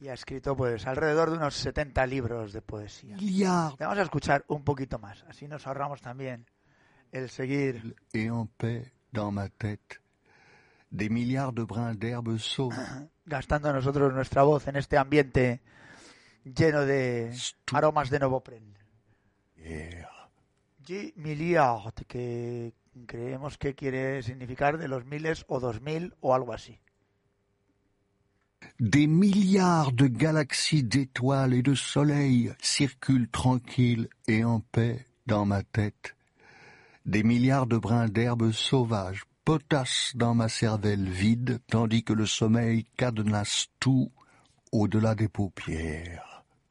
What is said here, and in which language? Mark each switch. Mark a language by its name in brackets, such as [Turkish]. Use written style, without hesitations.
[Spanish] Y ha escrito pues alrededor de unos 70 libros de poesía. Liard. Vamos a escuchar un poquito más, así nos ahorramos también el seguir. [French] Et en paix dans ma tête, des milliards de brins d'herbe sauve. [Spanish] Gastando nosotros nuestra voz en este ambiente lleno de aromas de Novopren. Yeah. Milliard, que... Creemos que quiere significar de los miles o 2000 o algo así. [French] Des milliards de galaxies d'étoiles et de soleils circulent tranquilles et en paix dans ma tête. Des milliards de brins d'herbe sauvage potassent dans ma cervelle vide tandis que le sommeil cadenasse tout au-delà des paupières.